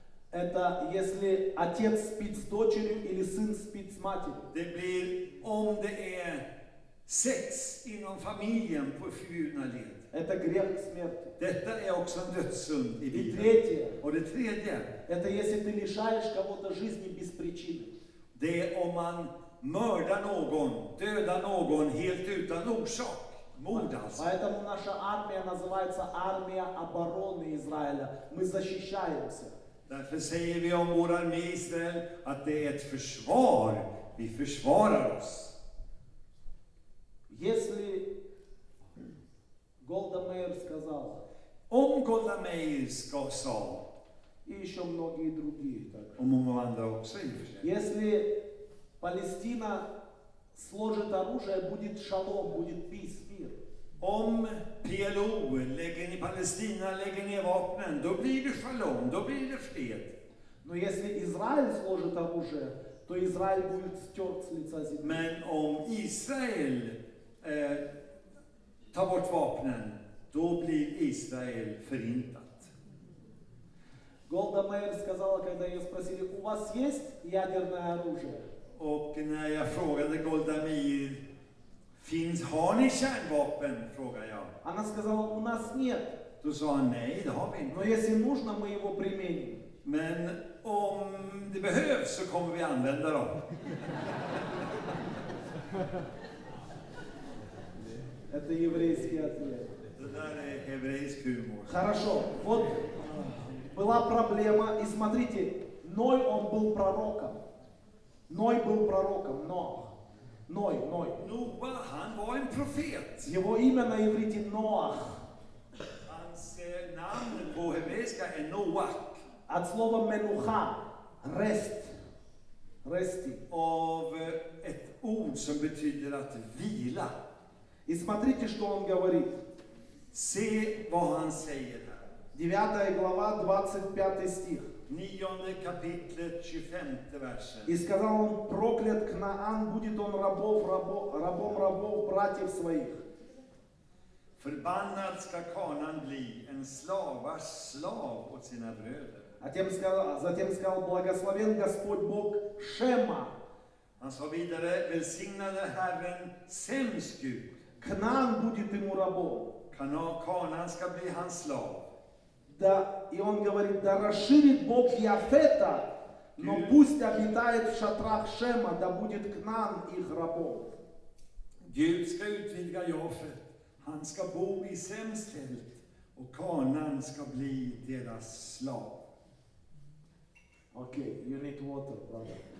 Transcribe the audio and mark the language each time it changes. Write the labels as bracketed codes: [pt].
[ru] Это если отец спит с дочерью или сын спит с матерью. [sv] Det blir om det är sex inom familjen på förbjudna led. [ru] Это грех к смерти. [sv] Detta är också en dödssynd i Bibeln. [ru] И третье. [sv] Och det tredje. [ru] Это если ты лишаешь кого-то жизни без причины. [sv] Det är om man mördar någon, dödar någon helt utan orsak. [ru] Мудрость. Поэтому наша армия называется армия обороны Израиля. Мы защищаемся. [sv] Därför säger vi om vår armé i Israel att det är ett försvar. Vi försvarar oss. [ru] Если Голда Мейер сказал. [sv] Om Golda Meir sa. [ru] И еще многие другие. Так. [sv] Om Mumanda också. [ru] Если Палестина сложит оружие, будет шалом, будет peace, мир. [sv] Om PLO lägger ner Palestina, lägger ner vapnen, då blir det shalom, då blir det fred. [ru] Но если Израиль сложит оружие, то Израиль будет стерт с лица земли. [sv] Men om Israel tar bort vapnen, då blir Israel förintat. [ru] Голда Мейер сказала, когда ее спросили, у вас есть ядерное оружие? [sv] Och när jag frågade Golda Meir, finns, har ni kärnvapen, frågar jag. [ru] Она сказала, у нас нет. [sv] Då sa han, nej, det har vi inte. [ru] Но если нужно, мы его применим. [sv] Men om det behövs så kommer vi använda dem. [ru] Это еврейский ответ. [sv] Det där är hebreisk humor. [ru] Хорошо, вот была проблема, и смотрите, Ной, он был пророком. Ной был пророком, Ноах. Ной. [sv] Noah, han var en profet. [ru] Его имя на иврите Ноах. [sv] Hans namn på hebreiska är Noah. [ru] От слова менуха, rest, resti. [sv] Av ett ord som betyder att vila. [ru] И смотрите, что он говорит. [sv] Se vad han säger. [ru] 9 глава, 25 стих. [sv] 9 kapitlet, 25 versen. [ru] И сказал он, проклят Кнаан, будет он рабом рабов, братьев своих. [sv] Förbannad ska Kanan bli en slavars slav åt sina bröder. [ru] Затем сказал, благословен Господь Бог Шема. [sv] Han sa vidare, välsignade Herren Sems Gud. [ru] Кнаан будет ему рабом. [sv] Kanan ska bli hans slav. [ru] Да, и он говорит, да расширит Бог Яфета, но пусть обитает в шатрах Шема, да будет к нам их рабов. [sv] Gud ska utvidga Jafet, han ska bo i Sems tält, och Kanan ska bli deras slav. [en] Okay, you need water, brother.